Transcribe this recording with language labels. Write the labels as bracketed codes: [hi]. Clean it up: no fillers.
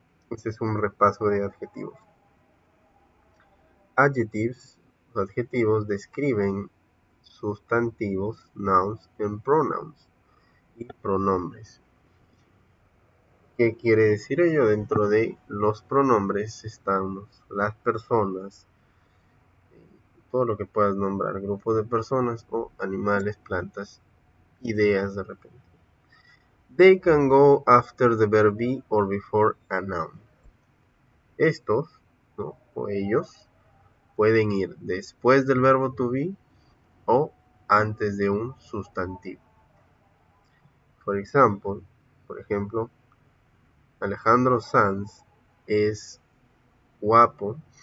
[es] Este es un repaso de adjetivos. Adjectives, los adjetivos describen sustantivos, [en] nouns and pronouns [es] y pronombres. ¿Qué quiere decir ello? Dentro de los pronombres están las personas, todo lo que puedas nombrar, grupos de personas o animales, plantas, ideas de repente. [en] They can go after the verb be or before a noun. [es] Estos, ¿no? O ellos pueden ir después del verbo to be o antes de un sustantivo. Por ejemplo, Alejandro Sanz es guapo.